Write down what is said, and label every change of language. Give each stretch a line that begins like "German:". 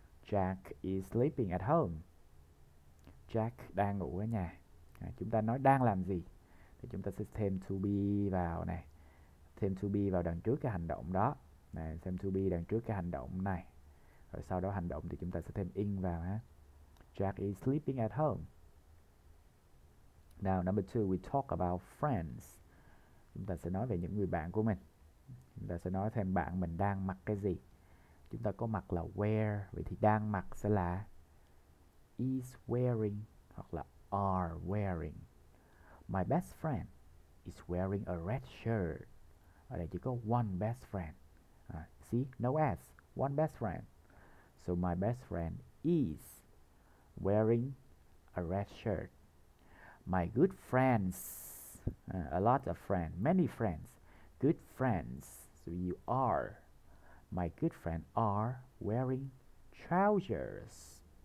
English: Jack is sleeping at home.
Vietnamese: Jack đang ngủ ở nhà. Chúng ta nói đang làm gì thì chúng ta sẽ thêm to be vào này. Thêm to be vào đằng trước cái hành động đó. Này, thêm to be đằng trước cái hành động này. Rồi sau đó hành động thì chúng ta sẽ thêm in vào ha.
English: Jack is sleeping at home. Now number two, we talk about friends.
Vietnamese: Chúng ta sẽ nói về những người bạn của mình. Chúng ta sẽ nói thêm bạn mình đang mặc cái gì. Chúng ta có mặc là wear. Vậy thì đang mặc sẽ là
English: is wearing
Vietnamese: hoặc là
English: are wearing. My best friend is wearing a red shirt.
Vietnamese: Ở đây chỉ có
English: one best friend. See, no S. One best friend. So my best friend is wearing a red shirt. My good friends, a lot of friends, many friends, good friends. So you are. My good friend are wearing trousers.